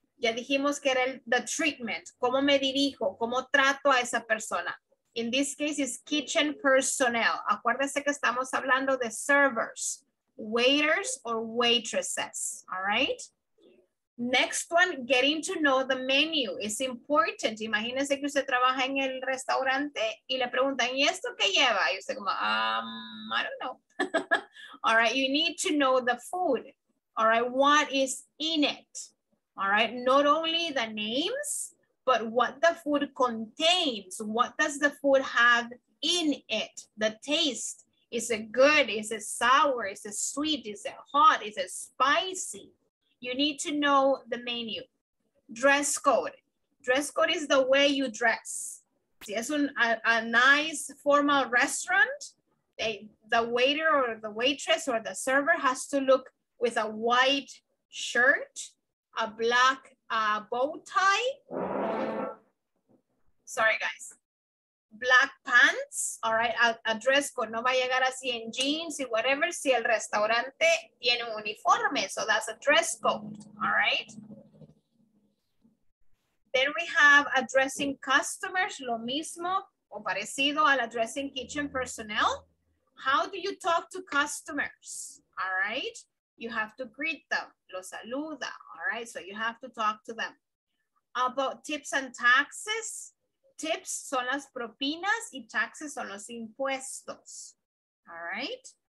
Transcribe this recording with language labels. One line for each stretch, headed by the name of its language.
Spanish: Ya dijimos que era el,
English: the treatment.
Spanish: ¿Cómo me dirijo? ¿Cómo trato a esa persona?
English: In this case, it's kitchen personnel.
Spanish: Acuérdense que estamos hablando de
English: servers, waiters or waitresses, all right? Next one, getting to know the menu is important.
Spanish: Imagínense que usted trabaja en el restaurante y le preguntan, ¿y esto qué lleva? Y usted como,
English: I don't know. All right, you need to know the food. All right, what is in it? All right, not only the names, but what the food contains. What does the food have in it? The taste, is it good? Is it sour? Is it sweet? Is it hot? Is it spicy? You need to know the menu. Dress code. Dress code is the way you dress.
Spanish: Si es un,
English: a nice formal restaurant, they, the waiter or the waitress or the server has to look with a white shirt, a black bow tie. Sorry, guys. Black pants, all right? A dress code,
Spanish: no va a llegar así en jeans y whatever si el restaurante tiene un uniforme.
English: So that's a dress code, all right? Then we have addressing customers,
Spanish: lo mismo o parecido al
English: addressing kitchen personnel. How do you talk to customers, all right? You have to greet them,
Spanish: lo saluda,
English: all right? So you have to talk to them. About tips and taxes.
Spanish: Tips son las propinas y taxes son los impuestos,
English: all right?